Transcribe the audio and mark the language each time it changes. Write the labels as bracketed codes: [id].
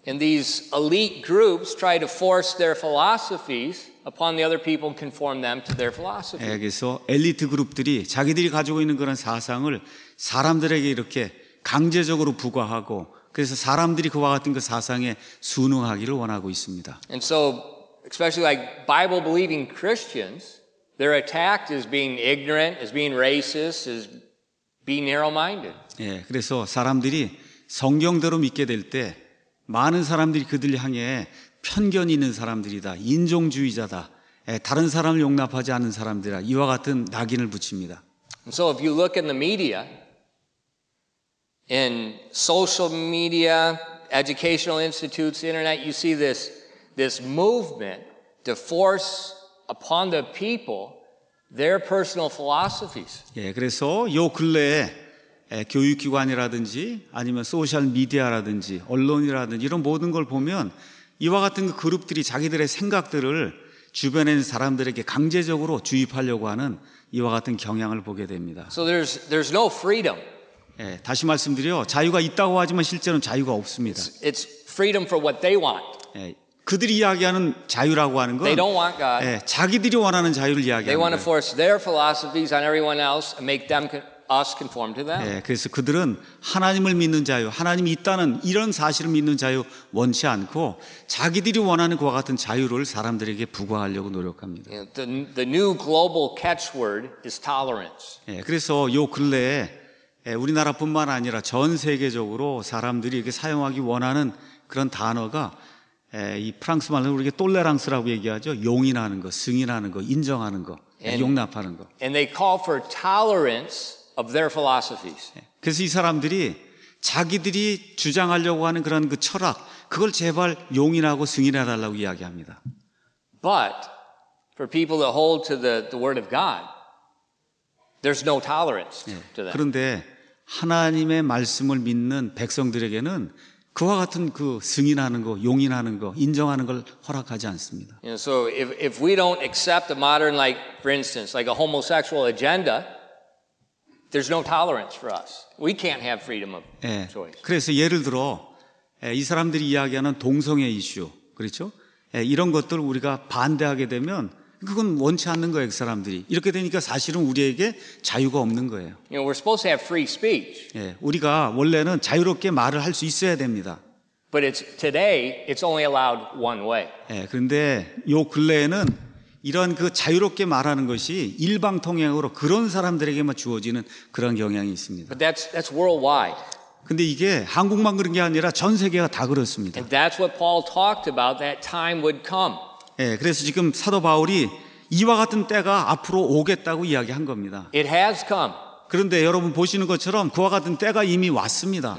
[en] And these elite groups try to force their philosophies upon the other people and conform them to their philosophy. [ko] 예, 그래서 엘리트 그룹들이 자기들이 가지고 있는 그런 사상을 사람들에게 이렇게 강제적으로 부과하고 그래서 사람들이 그와 같은 그 사상에 순응하기를 원하고 있습니다. [en] And so, especially like Bible believing Christians, they're attacked as being ignorant, as being racist, as being narrow-minded. [ko] 예, 그래서 사람들이 성경대로 믿게 될 때 많은 사람들이 그들 향해 편견이 있는 사람들이다, 인종주의자다, 다른 사람을 용납하지 않는 사람들이라 이와 같은 낙인을 붙입니다. [en] And so if you look in the media, in social media, educational institutes, internet, you see this movement to force upon the people their personal philosophies. [ko] 예, 그래서 요 근래에 교육기관이라든지 아니면 소셜 미디어라든지 언론이라든지 이런 모든 걸 보면 이와 같은 그 그룹들이 자기들의 생각들을 주변에 있는 사람들에게 강제적으로 주입하려고 하는 이와 같은 경향을 보게 됩니다. [en] So there's no freedom. [ko] 예, 다시 말씀드려 자유가 있다고 하지만 실제로는 자유가 없습니다. [en] It's freedom for what they want. [ko] 예, 그들이 이야기하는 자유라고 하는 건 [en] They don't want God. [ko] 예, 자기들이 원하는 자유를 이야기하는 [en] They want to force their philosophies on everyone else and make them us conform to them. [ko] 예, 그래서 그들은 하나님을 믿는 자유, 하나님이 있다는 이런 사실을 믿는 자유 원치 않고 자기들이 원하는 그와 같은 자유를 사람들에게 부과하려고 노력합니다. [en] The new global catchword is tolerance. [ko] 예, 그래서 요 근래에 우리나라뿐만 아니라 전 세계적으로 사람들이 이렇게 사용하기 원하는 그런 단어가 이 프랑스 말로 우리가 똘레랑스라고 얘기하죠. 용인하는 거, 승인하는 거, 인정하는 거, [en] and, [ko] 용납하는 거. [en] And they call for tolerance of their philosophies. [ko] 그래서 이 사람들이 자기들이 주장하려고 하는 그런 그 철학, 그걸 제발 용인하고 승인해 달라고 이야기합니다. [en] But for people that hold to the word of God, There's no tolerance to that. [ko] 그런데 하나님의 말씀을 믿는 백성들에게는 그와 같은 그 승인하는 거, 용인하는 거, 인정하는 걸 허락하지 않습니다. [en] You know, so if we don't accept a modern, like for instance, like a homosexual agenda, there's no tolerance for us. We can't have freedom of choice. [ko] 예, 그래서 예를 들어 이 사람들이 이야기하는 동성애 이슈, 그렇죠? 이런 것들 우리가 반대하게 되면. 그건 원치 않는 거예요, 그 사람들이. 이렇게 되니까 사실은 우리에게 자유가 없는 거예요. [en] You know, we're supposed to have free speech. [ko] 예, 우리가 원래는 자유롭게 말을 할 수 있어야 됩니다. [en] But it's today it's only allowed one way. [ko] 예, 그런데 요 근래에는 이런 그 자유롭게 말하는 것이 일방통행으로 그런 사람들에게만 주어지는 그런 경향이 있습니다. [en] But that's worldwide. [ko] 근데 이게 한국만 그런 게 아니라 전 세계가 다 그렇습니다. [en] And that's what Paul talked about, that time would come. [ko] 예, 그래서 지금 사도 바울이 이와 같은 때가 앞으로 오겠다고 이야기한 겁니다. [en] It has come. [ko] 그런데 여러분 보시는 것처럼 그와 같은 때가 이미 왔습니다.